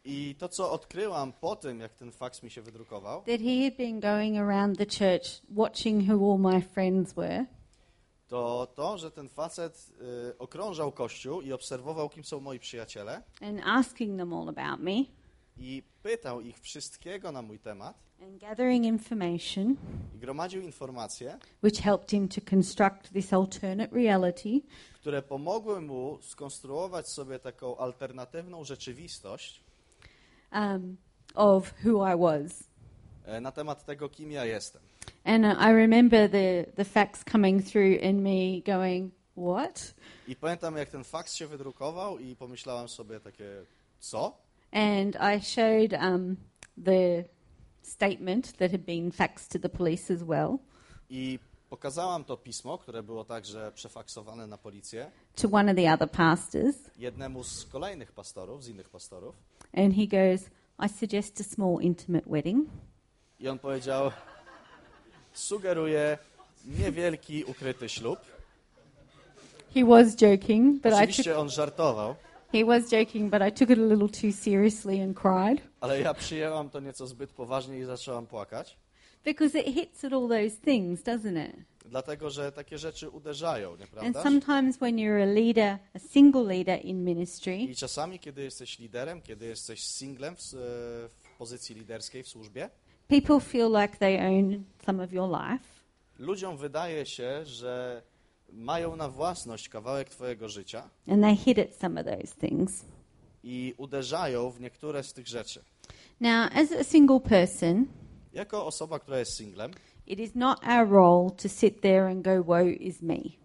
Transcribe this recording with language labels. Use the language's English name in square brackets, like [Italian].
[Polish] I to, co odkryłam po tym, jak ten fax mi się wydrukował. [English] That he had been going around the church watching who all my friends were. [Polish] To to, że ten facet okrążał kościół i obserwował, kim są moi przyjaciele. [English] And asking them all about me. [Polish] I pytał ich wszystkiego na mój temat. [English] And gathering information. [Polish] I gromadził informacje, [English] which helped him to construct this alternate reality. [Polish] Które pomogły mu skonstruować sobie taką alternatywną rzeczywistość. [English] Of who I was. [Polish] Na temat tego, kim ja jestem. [English] And I remember the facts coming through in me going, what? [Polish] I pamiętam, jak ten fax się wydrukował i pomyślałam sobie takie, co? [English] And I showed the statement that had been faxed to the police as well. [Polish] I pokazałam to pismo, które było także przefaksowane na policję. [English] To one of the other pastors. [Polish] Jednemu z kolejnych pastorów, z innych pastorów. [English] And he goes, I suggest a small intimate wedding. [Polish] I on powiedział, sugeruję niewielki ukryty ślub. [English] He was joking, but [Polish] oczywiście [English] I took... [Polish] on żartował. [English] He was joking, but I took it a little too seriously and cried. [Polish] Ale ja przyjęłam to nieco zbyt poważnie i zaczęłam płakać. [English] Because it hits at all those things, doesn't it? [Polish] Dlatego, że takie rzeczy uderzają, nieprawda? [English] And sometimes when you're a leader, a single leader in ministry. [Polish] I czasami, kiedy jesteś liderem, kiedy jesteś singlem w pozycji liderskiej w służbie. [English] People feel like they own some of your life. [Polish] Ludziom wydaje się, że mają na własność kawałek twojego życia. [English] And they hit at some of those things. [Polish] I uderzają w niektóre z tych rzeczy. [English] Now, as a single person, [Polish] jako osoba, która jest singlem, [English] it is not our role to sit there and go, woe is me.